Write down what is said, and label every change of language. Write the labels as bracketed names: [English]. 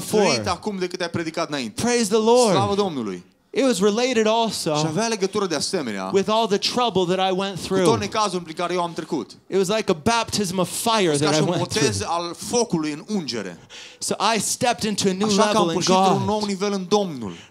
[Romanian] Tu predici diferit acum decât ai predicat înainte. [English] Praise the Lord. [Romanian] Slavă Domnului. [English] It was related also. [Romanian] Și avea legătură de asemenea. [English] With all the trouble that I went through. [Romanian] Cu toate cazurile prin care eu am trecut. [English] It was like a baptism of fire that I went through. [Romanian] Ca și un botez al focului în ungere. [English] So I stepped into a new [Romanian] Așa [English] level in God. [Romanian] Așa că am pășit un nou nivel în Domnul.